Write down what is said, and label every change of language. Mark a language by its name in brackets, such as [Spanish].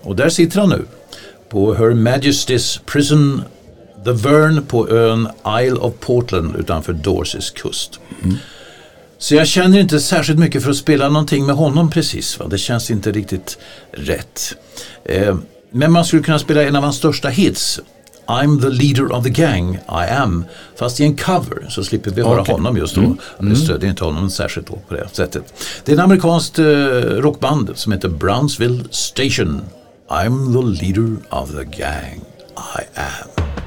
[Swedish] Och där sitter han nu på Her Majesty's Prison The Vern på ön Isle of Portland utanför Dorsets kust. Mm. Så jag känner inte särskilt mycket för att spela någonting med honom precis. Va? Det känns inte riktigt rätt. Men man skulle kunna spela en av hans största hits. [English] I'm the leader of the gang, I am. [Swedish] Fast i en cover, så slipper vi höra honom just då. Vi stödjer inte honom särskilt på det sättet. Det är en amerikansk rockband som heter Brownsville Station. [English] I'm the leader of the gang, I am.